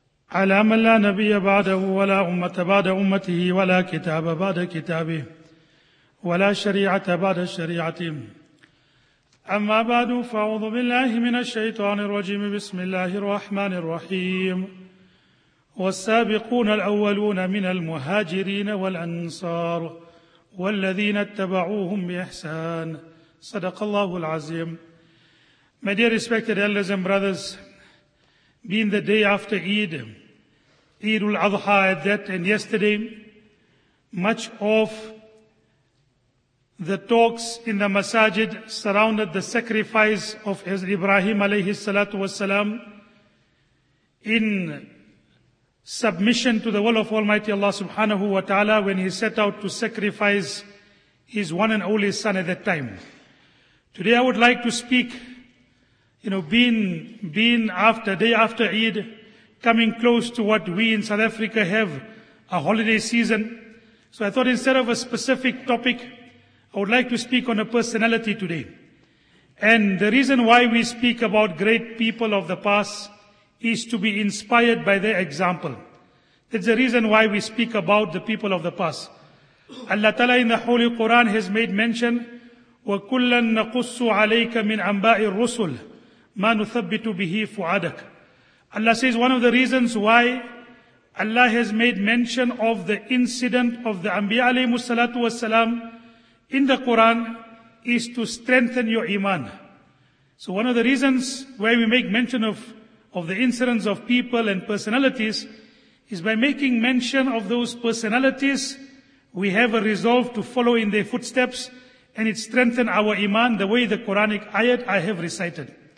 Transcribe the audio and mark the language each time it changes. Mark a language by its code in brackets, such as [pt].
[ar] على من لا نبي بعده ولا أمة بعد أمته ولا كتاب بعد كتابه ولا شريعة بعد الشريعة أما بعد فأعوذ بالله من الشيطان الرجيم بسم الله الرحمن الرحيم والسابقون الأولون من المهاجرين والأنصار والذين اتبعوهم بإحسان صدق الله العظيم. [en] My dear respected elders and brothers, being the day after Eid, Eid al-Adha at that and yesterday, much of the talks in the masajid surrounded the sacrifice of Hazrat Ibrahim alayhi salatu wasalam in submission to the will of Almighty Allah subhanahu wa ta'ala when he set out to sacrifice his one and only son at that time. Today I would like to speak, being day after Eid, coming close to what we in South Africa have, a holiday season. So I thought instead of a specific topic, I would like to speak on a personality today. And the reason why we speak about great people of the past is to be inspired by their example. That's the reason why we speak about the people of the past. Allah Ta'ala in the Holy Quran has made mention, [ar] وَكُلًّا نَقُصُّ عَلَيْكَ مِنْ أَنْبَاءِ الرُّسُلِ مَا نُثَبِّتُ بِهِ فُعَادَكَ. [en] Allah says one of the reasons why Allah has made mention of the incident of the Anbiya alayhimu salatu wasalam in the Quran is to strengthen your iman. So one of the reasons why we make mention of the incidents of people and personalities is by making mention of those personalities, we have a resolve to follow in their footsteps and it strengthens our iman the way the Quranic ayat I have recited.